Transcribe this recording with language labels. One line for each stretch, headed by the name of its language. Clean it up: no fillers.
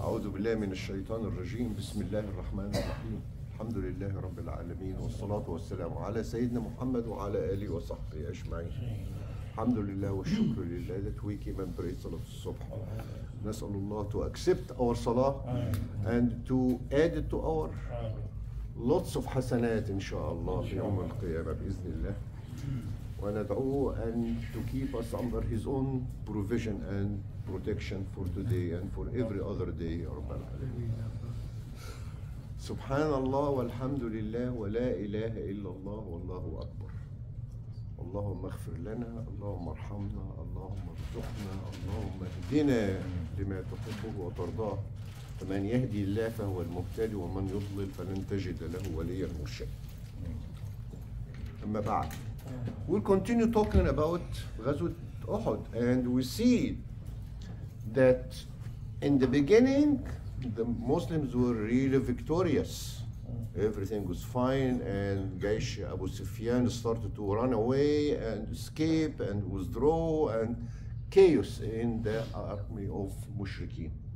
Arabic: أعوذ بالله من الشيطان الرجيم، بسم الله الرحمن الرحيم، الحمد لله رب العالمين، والصلاة والسلام على سيدنا محمد وعلى آله وصحبه أجمعين. الحمد لله والشكر لله
English: that we came and prayed
Arabic: صلاة الصبح. نسأل الله
English: to accept our
Arabic: صلاة
English: and to add it to our lots of
Arabic: حسنات إن شاء الله في يوم القيامة بإذن الله. وندعوه أن
English: to keep us under his own provision and protection for today and for every other day.
Arabic: سبحان الله والحمد لله ولا إله إلا الله والله أكبر. اللهم اغفر لنا، اللهم ارحمنا، اللهم ارزقنا، اللهم اهدنا لما تحبه وترضاه. فمن يهدي الله فهو المهتدي، ومن يضلل فلن تجد له وليا مرشدا. أما بعد،
English: we'll continue talking about Ghazwat Uhud, and we see that in the beginning the Muslims were really victorious. Everything was fine, and Jaish Abu Sufyan started to run away and escape and withdraw, and chaos in the army of Mushrikeen.